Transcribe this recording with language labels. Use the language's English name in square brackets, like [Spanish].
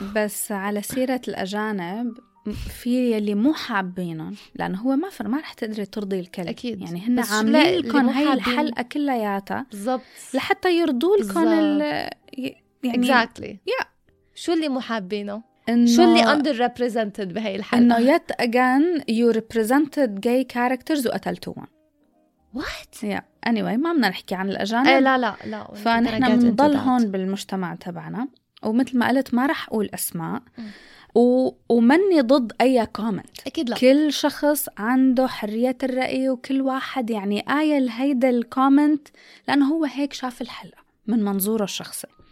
[Arabic] بس على سيرة الأجانب في يلي مو حابينهم، لأنه هو ما فر ما رح تقدري ترضي الكل. أكيد. يعني هن عاملين لكم هاي الحلقة كلها ياتا بالضبط لحتى يرضوا لكم يعني [English] exactly. yeah. [Arabic] شو اللي مو حابينه؟ شو اللي underrepresented بهاي الحلقة؟ [English] إنه yet again you represented gay characters وقتلتوهم. what؟ yeah. [Arabic] anyway ما بدنا نحكي عن الأجانب. إيه لا لا لا فنحن بنضل هون بالمجتمع تبعنا، ومثل ما قلت ما رح أقول أسماء ومني ضد أي كومنت. أكيد لا. كل شخص عنده حرية الرأي، وكل واحد يعني قايل هيدا الكومنت لأنه هو هيك شاف الحلقة من منظوره الشخصي.